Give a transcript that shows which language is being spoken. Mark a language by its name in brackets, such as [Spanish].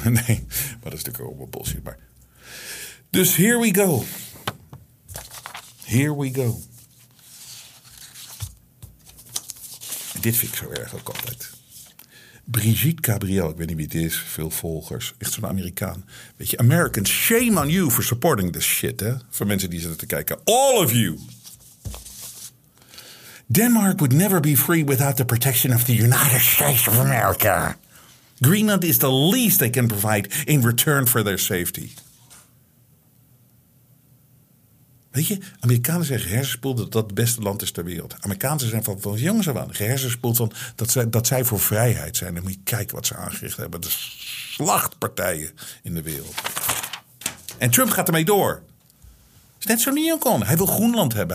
[Dutch] Nee, maar dat is natuurlijk ook wel bullshit. Maar... Dus [English] here we go. Here we go. [Dutch] En dit vind ik zo erg ook altijd. Brigitte Cabriel, ik weet niet wie het is, veel volgers. Echt zo'n Amerikaan. Weet je, [English] Americans, shame on you for supporting this shit, [Dutch] hè? Voor mensen die zitten te kijken. [English] All of you! Denmark would never be free without the protection of the United States of America. Greenland is the least they can provide in return for their safety. [Dutch] Weet je, Amerikanen zijn gehersenspoeld dat dat het beste land is ter wereld. Amerikanen zijn van jongs af aan gehersenspoeld van dat zij voor vrijheid zijn. Dan moet je kijken wat ze aangericht hebben. De slachtpartijen in de wereld. En Trump gaat ermee door. Is net zo niet kon. Hij wil Groenland hebben.